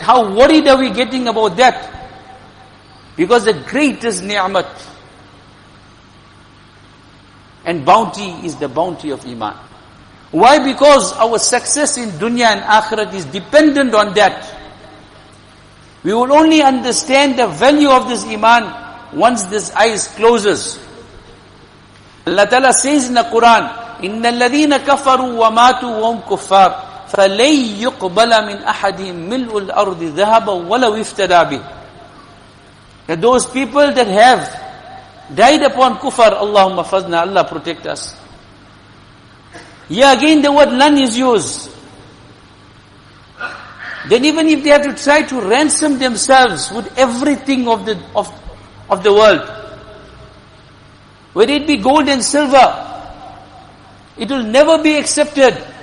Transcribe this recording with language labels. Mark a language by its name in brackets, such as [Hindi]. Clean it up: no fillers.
[English] How worried are we getting about that? Because the greatest ni'mat and bounty is the bounty of Iman. Why? Because our success in dunya and akhirat is dependent on that. We will only understand the value of this Iman once this eyes closes. Allah Ta'ala says in the Quran, [Arabic] إِنَّ الَّذِينَ كَفَرُوا وَمَاتُوا وَهُمْ كُفَّارُ فَلَيْ يُقْبَلَ مِنْ أَحَدِهِمْ مِلْءُ الْأَرْضِ ذَهَبًا وَلَوْ افْتَدَى بِهِ. [English] That those people that have died upon kufr, Allahumma fazna, Allah protect us. Yeah, again the word none is used. Then even if they have to try to ransom themselves with everything of the world, whether it be gold and silver, it will never be accepted.